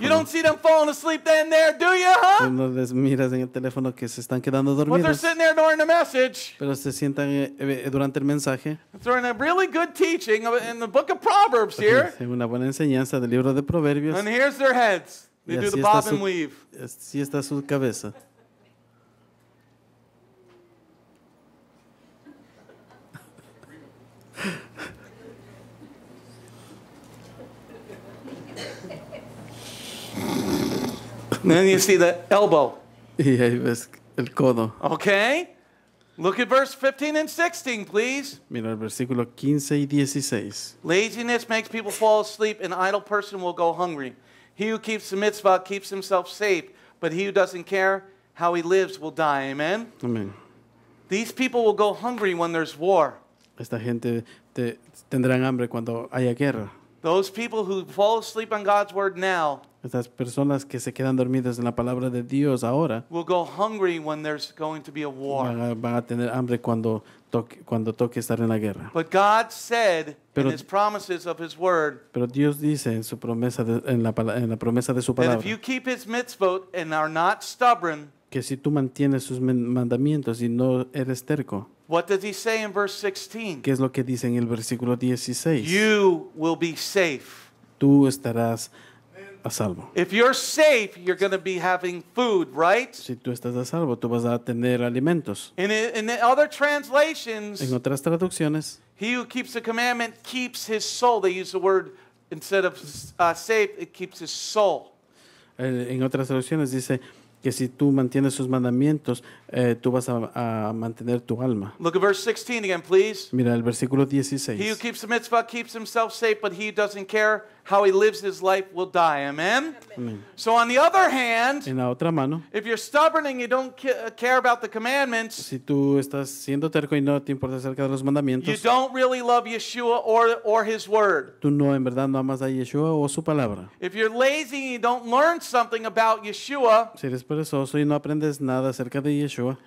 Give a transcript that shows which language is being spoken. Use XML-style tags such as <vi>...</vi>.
<en>You don't see them falling asleep then there, do you, huh?</en> <es>No les miras en el teléfono que se están quedando dormidos.</es> <en>But they're sitting there during the message.</en> <es>Pero se sientan durante el mensaje.</es> <en>During a really good teaching in the book of Proverbs here.</en> <es>En una buena enseñanza del libro de Proverbios.</es> <en>And here's their heads. They do the bob and weave.</en> <es>Así está su cabeza.</es> <en>Then you see the elbow.</en> <es>Y ahí ves el codo.</es> <en>Okay. Look at verse 15 and 16, please.</en> <es>Mira el versículo 15 y 16.</es> <en>Laziness makes people fall asleep, an idle person will go hungry. He who keeps the mitzvah keeps himself safe, but he who doesn't care how he lives will die. Amen? Amen. These people will go hungry when there's war.</en> <es>Esta gente tendrán hambre cuando haya guerra.</es> <en>Those people who fall asleep on God's word now.</en> <es>Estas personas que se quedan dormidas en la palabra de Dios ahora</es> <en>will go hungry when there's going to be a war.</en> <es>Van a tener hambre cuando toque estar en la guerra.</es> <en>But God said in his promises of his word.</en> <es>Pero Dios dice en su promesa en la promesa de su palabra.</es> <en>That if you keep his mitzvot and are not stubborn.</en> <es>Que si tú mantienes sus mandamientos y no eres terco.</es> <en>What does he say in verse 16?</en> <es>¿Qué es lo que dice en el versículo 16?</es> <en>You will be safe.</en> <es>Tú estarás a salvo.</es> <en>If you're safe, you're going to be having food, right?</en> <es>Si tú estás a salvo, tú vas a tener alimentos.</es> <en>In the other translations,</en> <es>en otras traducciones,</es> <en>he who keeps the commandment keeps his soul. They use the word instead of safe, it keeps his soul.</en> <es>En otras traducciones dice que si tú mantienes sus mandamientos, tú vas a mantener tu alma.</es> <en>Look at verse 16 again, please.</en> <es>Mira el versículo 16.</es> <en>He who keeps the mitzvah keeps himself safe, but he who doesn't care how he lives his life will die. Amen? Amen. So on the other hand,</en> <es>en la otra mano,</es> <en>if you're stubborn and you don't care about the commandments,</en> <es>si tú estás siendo terco y no te importa acerca de los mandamientos,</es> <en>you don't really love Yeshua or his word.</en> <es>Tú no, en verdad, no amas a Yeshua o su palabra.</es> <en>If you're lazy and you don't learn something about Yeshua,</en> <es>si eres perezoso y no aprendes nada acerca de Yeshua,</es>